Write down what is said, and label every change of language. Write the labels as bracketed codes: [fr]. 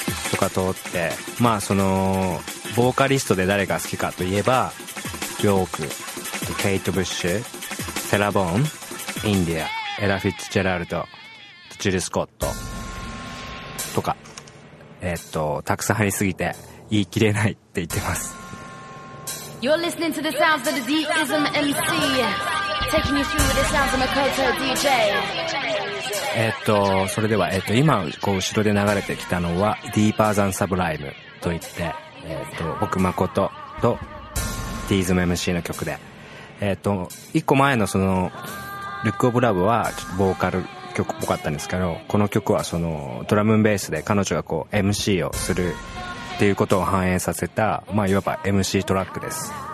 [ja] とか通って、まあそのボーカリストで誰が好きかといえばヨーク、ケイト・ブッシュ、セラボーン、インディア、エラ・フィッツ・ジェラルド、ジル・スコットとか、たくさん入りすぎて言い切れないって言ってます。 [en] You're listening to the sounds of the D-ism MC, taking you through the sounds of Makoto DJ. [ja] それでは、今こう後ろで流れてきたのは Deeper than Sublime といって、僕Makoto と D-ism MC の曲で、一個前のその Look of Love はちょっとボーカル曲っぽかったんですけど、この曲はそのドラムベースで彼女がこう MC をするっていうことを反映させた、まあいわば MC トラックです。